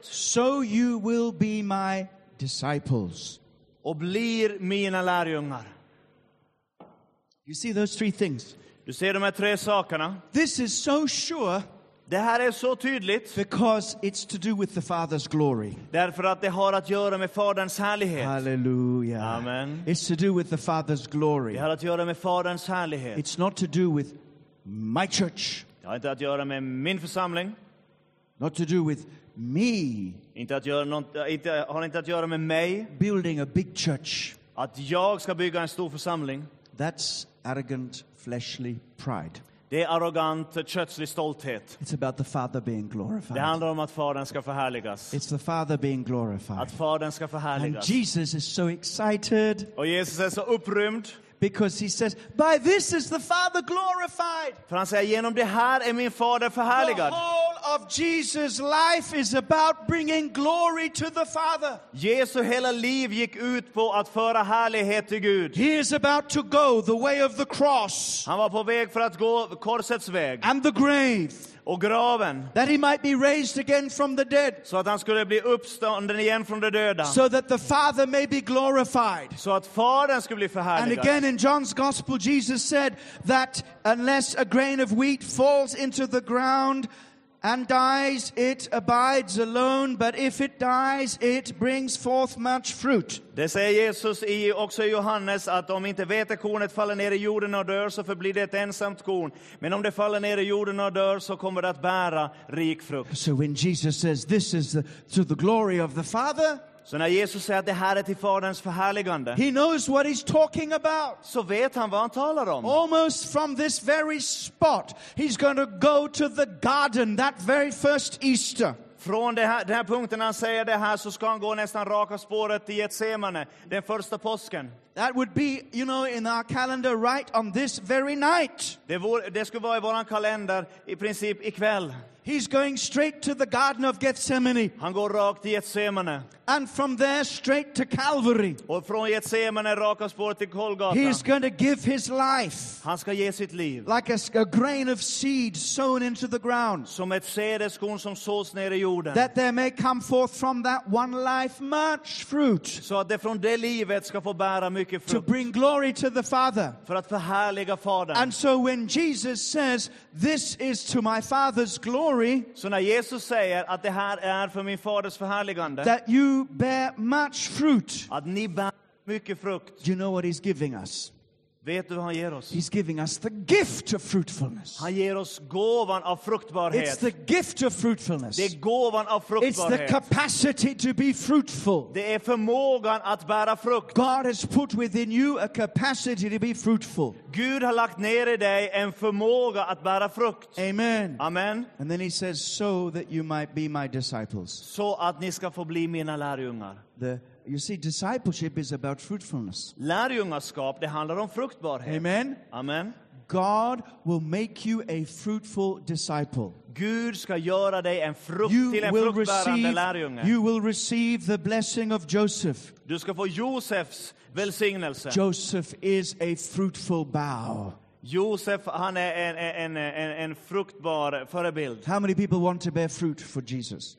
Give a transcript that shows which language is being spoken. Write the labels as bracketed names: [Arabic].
[English] So you will be my disciples. [Swedish] Och blir mina lärjungar. [English] You see those three things. [Swedish] Du ser de här tre sakerna. [English] This is so sure. [Swedish] Det här är så tydligt. [English] Because it's to do with the Father's glory. [Swedish] Därför att det har att göra med Faderns härlighet. Halleluja. Amen. [English] It's to do with the Father's glory. [Swedish] Det har att göra med Faderns härlighet. [English] It's not to do with my church. [Swedish] Det har inte att göra med min församling. [English] Not to do with me. [Swedish] Inte att göra med mig. [English] Building a big church. [Swedish] Att jag ska bygga en stor församling. [English] That's arrogant, fleshly pride. [Swedish] Det är arrogant, kötslig stolthet. [English] It's about the Father being glorified. [Swedish] Det handlar om att Fadern ska förhärligas. [English] It's the Father being glorified. [Swedish] Att Fadern ska förhärligas. [English] And Jesus is so excited. [Swedish] Och Jesus är så upprymd. [English] Because he says, by this is the Father glorified. [Swedish] För han säger, genom det här är min Fader förhärligad. [English] Of Jesus' life is about bringing glory to the Father. [Swedish] Jesu hela liv gick ut på att föra härlighet till Gud. [English] He is about to go the way of the cross. [Swedish] Han var på väg för att gå korsets väg. [English] And the grave. [Swedish] Och graven. [English] That he might be raised again from the dead. [Swedish] Så att han skulle bli uppstånden igen från de döda. [English] So that the Father may be glorified. [Swedish] Så att Fadern skulle bli förhärligad. [English] And again in John's Gospel, Jesus said that unless a grain of wheat falls into the ground and dies, it abides alone, but if it dies, it brings forth much fruit. [Swedish] Det säger Jesus också i Johannes, att om inte vetekornet faller ner i jorden och dör, så förblir det ett ensamt korn. Men om det faller ner i jorden och dör, så kommer det att bära rik frukt. [English] So when Jesus says, this is to the glory of the Father, [Swedish] så när Jesus säger att det här är till Faderns förhärligande, [English] he knows what he's talking about. [Swedish] Så vet han vad han talar om. [English] Almost from this very spot, he's going to go to the garden that very first Easter. [Swedish] Från den här punkten när han säger det här så ska han gå nästan raka spåret till Getsemane, den första påsken. [English] That would be, you know, in our calendar right on this very night. [Swedish] Det skulle vara i våran kalender i princip ikväll. [English] He's going straight to the Garden of Gethsemane. [Swedish] Han går rakt till Getsemane. [English] And from there straight to Calvary. [Swedish] Och från Getsemane raka spåret till Golgata. [English] He's going to give his life. [Swedish] Han ska ge sitt liv. [English] Like a grain of seed sown into the ground. [Swedish] Som ett sädeskorn som sås ner i jorden. [English] That there may come forth from that one life much fruit. [Swedish] Så att det från det livet ska få bära mycket frukt. [English] To bring glory to the Father. [Swedish] För att förhärliga Fadern. [English] And so when Jesus says, "This is to my Father's glory." [Swedish] Så när Jesus säger att det här är för min faders förhärligande, [English] that you bear much fruit, [Swedish] att ni bär mycket frukt, [English] you know what he's giving us? [Swedish] Vet du vad han ger oss? [English] He's giving us the gift of fruitfulness. [Swedish] Han ger oss gåvan av fruktbarhet. [English] It's the gift of fruitfulness. [Swedish] Det är gåvan av fruktbarhet. [English] It's the capacity to be fruitful. [Swedish] Det är förmågan att bära frukt. [English] God has put within you a capacity to be fruitful. [Swedish] Gud har lagt ner i dig en förmåga att bära frukt. Amen. Amen. [English] And then he says, so that you might be my disciples. [Swedish] Så att ni ska få bli mina lärjungar. [English] You see, discipleship is about fruitfulness. [Swedish] Lärjungaskap, det handlar om fruktbarhet. Amen. Amen. [English] God will make you a fruitful disciple. [Swedish] Gud ska göra dig en fruktbärande lärjunge. [English] You will receive the blessing of Joseph. [Swedish] Du ska få Josefs välsignelse. [English] Joseph is a fruitful bough. [Swedish] Josef, han är en fruktbar förebild. [English] How many people want to bear fruit for Jesus?